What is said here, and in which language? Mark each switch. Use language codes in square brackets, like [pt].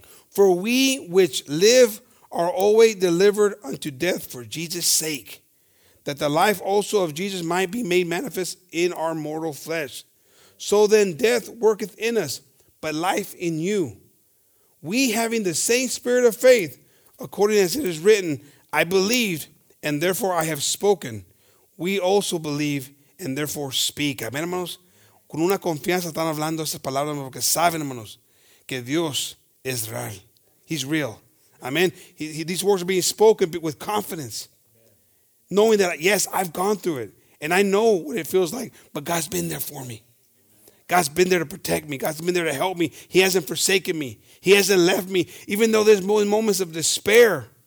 [en] For we which live are always delivered unto death for Jesus' sake, that the life also of Jesus might be made manifest in our mortal flesh. So then death worketh in us, but life in you. We having the same spirit of faith, according as it is written, I believed, and therefore I have spoken. We also believe, and therefore speak. [es] Amen, hermanos. Con una confianza están hablando estas palabras, porque saben, hermanos, que Dios es real. [en] He's real. Amen. These words are being spoken with confidence, knowing that, yes, I've gone through it, and I know what it feels like, but God's been there for me. God's been there to protect me. God's been there to help me. He hasn't forsaken me. He hasn't left me. Even though there's moments of despair.